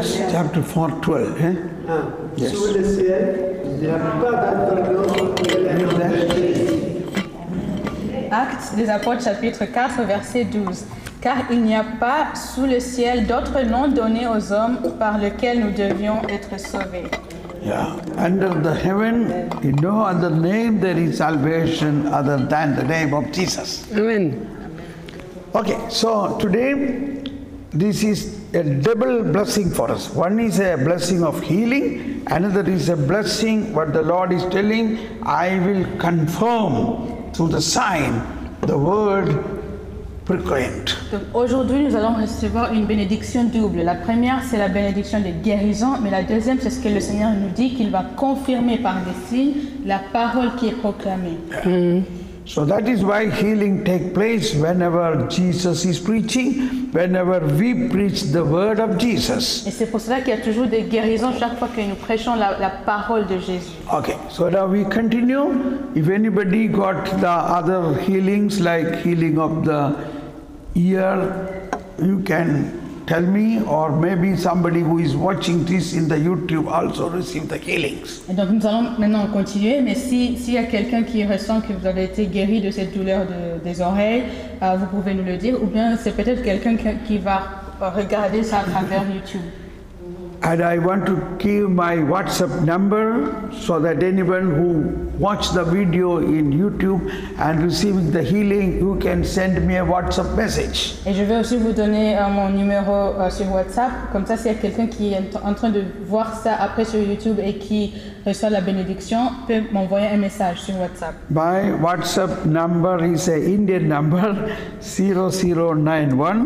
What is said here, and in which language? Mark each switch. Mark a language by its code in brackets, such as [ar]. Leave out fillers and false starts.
[en] Chapter 4, 12. Eh? Yes. [fr] Sulle sie, il n'y a pas d'autre nom que le nom de Jésus. Actes des Apôtres, chapitre 4, verset 12. Car il n'y a pas sous le ciel d'autre nom donné aux hommes par lequel nous devions être sauvés. [en] Yeah, under the heaven, in no other name there is salvation other than the name of Jesus. Amen. Okay, so today, this is a double blessing for us. One is a blessing of healing, another is a blessing what the Lord is telling, I will confirm through the sign, the word proclaimed. [fr] Donc aujourd'hui nous allons recevoir une bénédiction double. La première c'est la bénédiction de guérison, mais la deuxième c'est ce que le Seigneur nous dit qu'il va confirmer par des signes la parole qui est proclamée. [en] So that is why healing takes place whenever Jesus is preaching, whenever we preach the word of Jesus. [fr] Et c'est pour cela qu'il y a toujours des guérisons chaque fois que nous prêchons la parole de Jésus. [en] Okay, so now we continue. If anybody got the other healings, like healing of the ear, you can tell me, or maybe somebody who is watching this in the YouTube also receive the healings. [fr] Et donc nous allons maintenant continuer, mais s'il y a quelqu'un qui ressent que vous avez été guéri de cette douleur des oreilles, vous pouvez nous le dire, ou bien c'est peut-être quelqu'un qui va regarder ça à travers YouTube. [en] And I want to give my WhatsApp number so that anyone who watch the video in YouTube and receiving the healing, you can send me a WhatsApp message. [fr] Et je vais aussi vous donner mon numéro sur WhatsApp. Comme ça, s'il y a quelqu'un qui est en train de voir ça après sur YouTube et qui reçoit la bénédiction, peut m'envoyer un message sur WhatsApp. [en] My WhatsApp number is an Indian number, 0091.